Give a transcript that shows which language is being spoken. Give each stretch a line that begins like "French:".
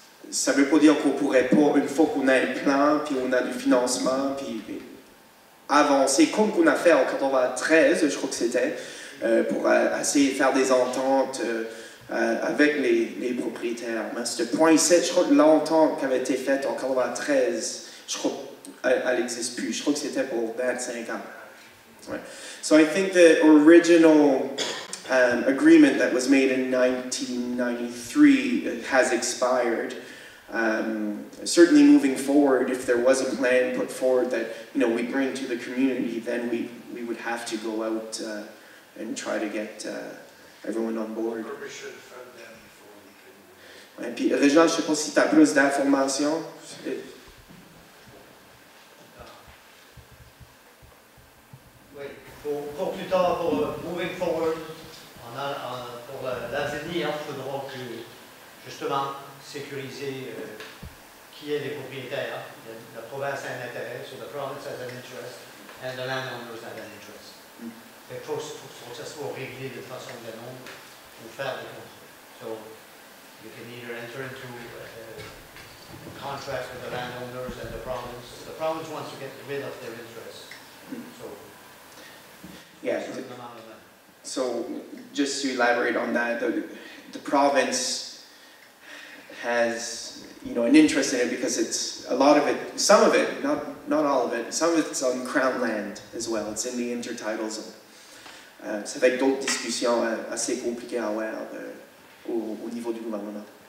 French: Ça veut pas dire qu'on pourrait pas, une fois qu'on a un plan, puis on a du financement, puis avancer comme qu'on a fait en 93, je crois que c'était, pour essayer de faire des ententes avec les propriétaires. Mais ce point 7, je crois que l'entente qui avait été faite en 93, je crois qu'elle n'existe plus. Je crois que c'était pour 25 ans.
English: Right. So I think the original agreement that was made in 1993 has expired. Certainly moving forward, if there was a plan put forward that, you know, we bring to the community, then we would have to go out and try to get everyone on board. Permission from them before we can...
French: Et puis, Réjean, je sais pas si t'as plus d'informations. Pour plus tard, pour
English: moving forward,
French: pour l'avenir, il faudra justement sécuriser qui est les propriétaires. La province a un intérêt,
English: so the province has an interest, and the landowners have an interest. Mm.
French: Faut que ça soit réglé de façon de nombre pour faire des contrats.
English: So, you can either enter into a contract with the landowners and the province. The province wants to get rid of their interest. So, yeah, so just to elaborate on that, the province has, you know, an interest in it because it's a lot of it, some of it, not all of it, some of it's on Crown land as well. It's in the intertidal zone.
French: Ça fait d'autres discussions assez compliquées à avoir au niveau du gouvernement.